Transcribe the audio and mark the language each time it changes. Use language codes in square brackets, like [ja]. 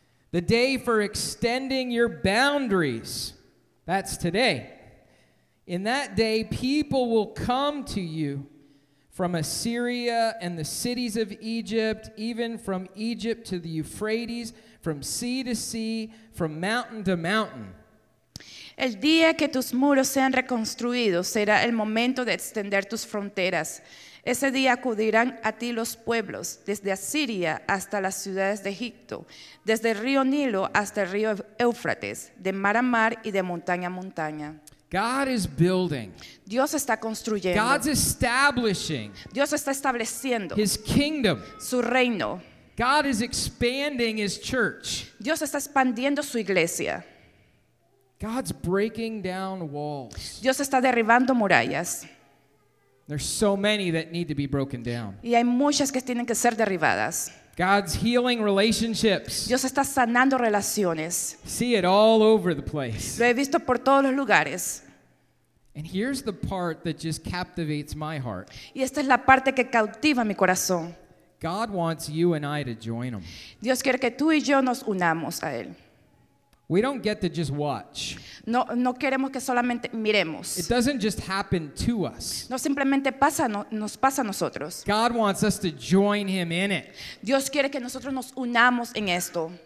[en] The day for extending your boundaries, that's today. In that day, people will come to you from Assyria and the cities of Egypt, even from Egypt to the Euphrates, from sea to sea, from mountain to mountain. [es] El día que tus muros sean reconstruidos será el momento de extender tus fronteras. Ese día acudirán a ti los pueblos, desde Asiria hasta las ciudades de Egipto, desde el río Nilo hasta el río Éufrates, de mar a mar y de montaña a montaña. [en] God is building. [es] Dios está construyendo. [en] God's establishing. [es] Dios está estableciendo. [en] His kingdom. [es] Su reino. [en] God is expanding his church. [es] Dios está expandiendo su iglesia. [en] God's breaking down walls. [es] Dios está derribando murallas. [en] There's so many that need to be broken down. [es] Y hay muchas que tienen que ser derribadas. [en] God's healing relationships. [es] Dios está sanando relaciones. [en] See it all over the place. [es] Lo he visto por todos los lugares. [en] And here's the part that just captivates my heart. [es] Y esta es la parte que cautiva mi corazón. [en] God wants you and I to join him. [es] Dios quiere que tú y yo nos unamos a él. [en] We don't get to just watch. [es] No queremos que solamente miremos. [en] It doesn't just happen to us. [es] No simplemente pasa, nos pasa a nosotros. [en] God wants us to join him in it. [es] Dios quiere que nosotros nos unamos en esto.